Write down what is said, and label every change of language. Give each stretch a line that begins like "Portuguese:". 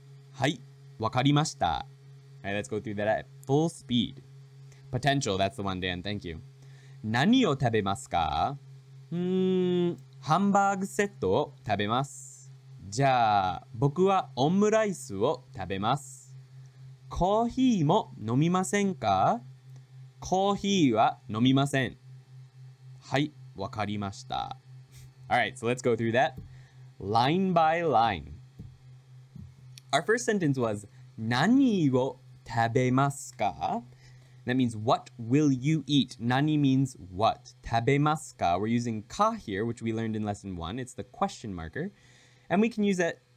Japanese: ハンバーグセットを食べます。じゃあ僕はオムライスを食べます。コーヒーも飲みませんか？コーヒーは飲みません。はい、わかりました。
English: All right, let's go through that at full speed. Potential, that's the one, Dan. Thank you.
Japanese: 何を食べますか? ハンバーグセットを食べます。じゃあ僕はオムライスを食べます。コーヒーも飲みませんか？コーヒーは飲みません。はい、わかりました。
English: All right, so let's go through that line by line. Our first sentence was
Japanese: 何を食べますか?
English: That means, what will you eat? Nani means what? Tabemasuka. We're using ka here, which we learned in lesson one. It's the question marker. And we can use that.